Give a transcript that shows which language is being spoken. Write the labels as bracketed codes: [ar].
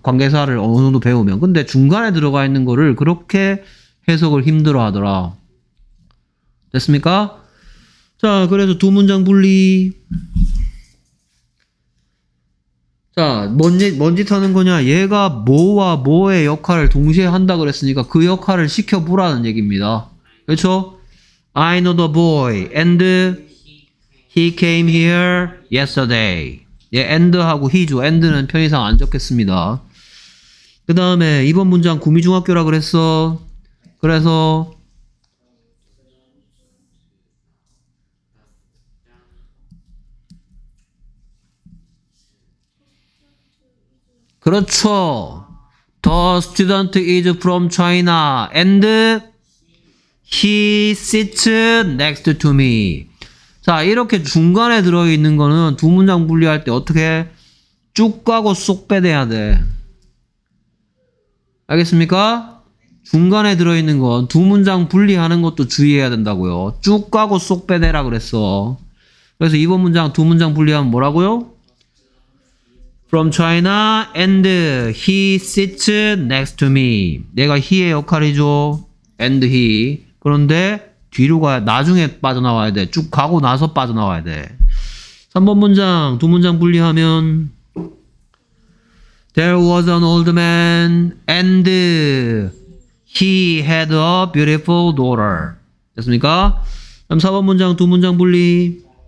[ko] 관계사를 어느 정도 배우면. 근데 중간에 들어가 있는 거를 그렇게 해석을 힘들어하더라. 됐습니까? 자, 그래서 두 문장 분리. 자, 뭔 짓 하는 거냐? 얘가 뭐와 뭐의 역할을 동시에 한다 그랬으니까 그 역할을 시켜보라는 얘기입니다. 그렇죠? [en] I know the boy and he came here yesterday. [ko] 얘 and하고 he죠. and는 편의상 안 적겠습니다. 그 다음에 이번 문장 구미중학교라 그랬어. 그래서 그렇죠. [en] The student is from China and he sits next to me. [ko] 자, 이렇게 중간에 들어있는 거는 두 문장 분리할 때 어떻게 쭉 가고 쏙 빼내야 돼. 알겠습니까? 중간에 들어있는 건 두 문장 분리하는 것도 주의해야 된다고요. 쭉 가고 쏙 빼내라 그랬어. 그래서 이번 문장 두 문장 분리하면 뭐라고요? [en] From China and he sits next to me. [ko] 내가 he의 역할이죠. [en] And he. [ko] 그런데 뒤로 가야 나중에 빠져나와야 돼. 쭉 가고 나서 빠져나와야 돼. 3번 문장 두 문장 분리하면 [en] There was an old man and he had a beautiful daughter. [ko] 됐습니까? 그럼 4번 문장 두 문장 분리.